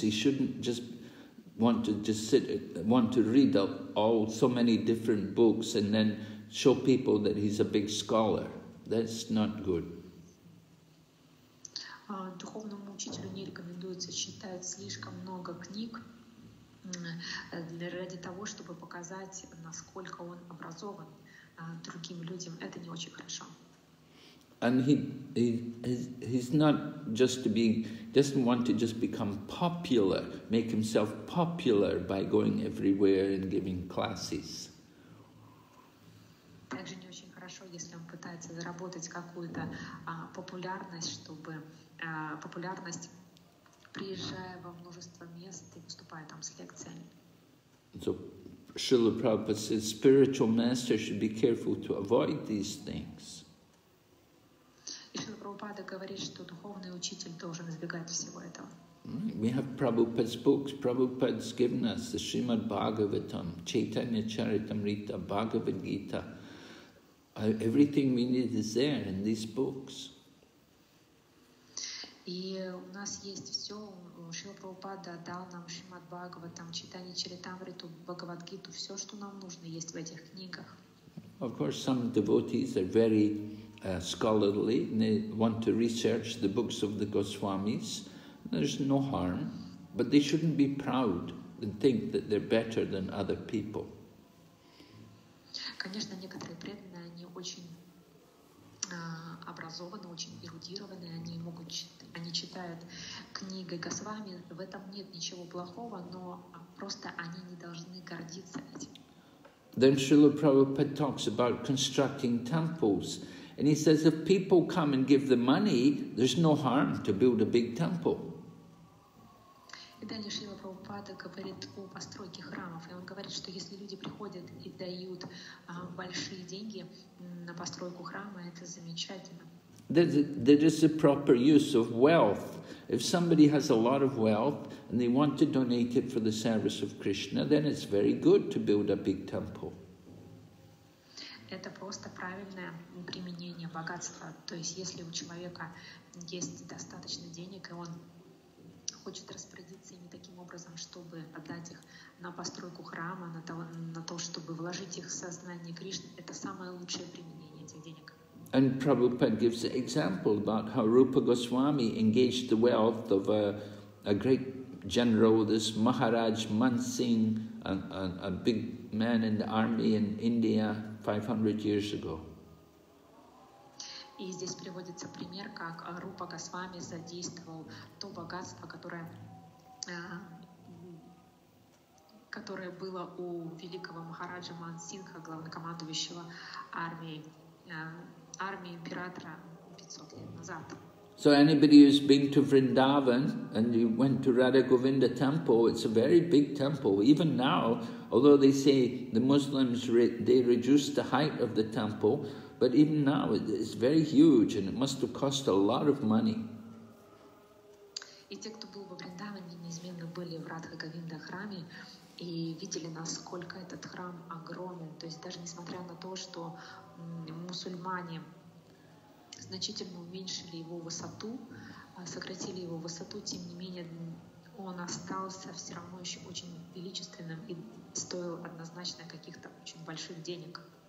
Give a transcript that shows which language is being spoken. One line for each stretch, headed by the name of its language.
English: He shouldn't just want to just sit, want to read all so many different books and then show people that he's a big scholar. That's not good.
Russian: Духовному учителю не рекомендуется читать слишком много книг ради того, чтобы показать, насколько он образован другим людям. Это не очень хорошо.
English: And he's not just to be, doesn't want to just become popular, make himself popular by going everywhere and giving classes.
Russian: Также не очень хорошо, если он пытается заработать какую-то популярность, чтобы популярность, приезжая во множество мест и выступая там с лекциями.
English: So, Srila Prabhupada says, spiritual master should be careful to avoid these things.
Russian: И Шрила Прабхупада говорит, что духовный учитель должен избегать всего этого.
English: We have Prabhupada's books. Prabhupada's given us the Srimad Bhagavatam, Chaitanya Charitamrita, Bhagavad Gita. Everything we need is there in these books.
Russian: И у нас есть все. Шрила Прабхупада дал нам Шримад Бхагаватам, Чайтанья Чаритамриту, Бхагавадгиту, все, что нам нужно, есть в этих книгах.
English: Of course, some devotees are very scholarly, and they want to research the books of the Goswamis. There's no harm, but they shouldn't be proud and think that they're better than other people.
Russian: Конечно, некоторые преданные, они очень образованы, очень эрудированы, они читают книги Госвами, в этом нет ничего плохого, но просто они не должны гордиться этим.
English: Then Srila Prabhupada talks about constructing temples, and he says if people come and give the money, there's no harm to build a big temple.
Russian: Когда Шрила Прабхупада говорит о постройке храмов, и он говорит, что если люди приходят и дают большие деньги на постройку храма, это замечательно.
English: There is a proper use of wealth. If somebody has a lot of wealth and they want to donate it for the service of Krishna, then it's very good to build a big temple.
Russian: Это просто правильное применение богатства. То есть, если у человека есть достаточно денег, и он хочет распорядиться ими таким образом, чтобы отдать их на постройку храма, на то, чтобы вложить их в сознание Кришны, это самое лучшее применение этих денег.
English: And Prabhupada gives an example about how Rupa Goswami engaged the wealth of a great general, this Maharaj Man Singh, a big man in the army in India 500 years ago.
Russian: И здесь приводится пример, как Рупа Госвами задействовал то богатство, которое было у великого Махараджа Мансингха, главнокомандующего армии императора 500 лет назад.
English: So anybody who's been to Vrindavan and you went to Radha Govinda temple, it's a very big temple. Even now, although they say the Muslims they reduce the height of the temple, but even now it's very huge and it must have cost a lot of money.
Russian: И те, кто был во Вриндаване, неизменно были в Радха Говинда храме и видели, насколько этот храм огромен. То есть даже несмотря на то, что мусульмане значительно уменьшили его высоту, сократили его высоту, тем не менее он остался все равно еще очень величественным и стоил однозначно каких-то очень больших денег.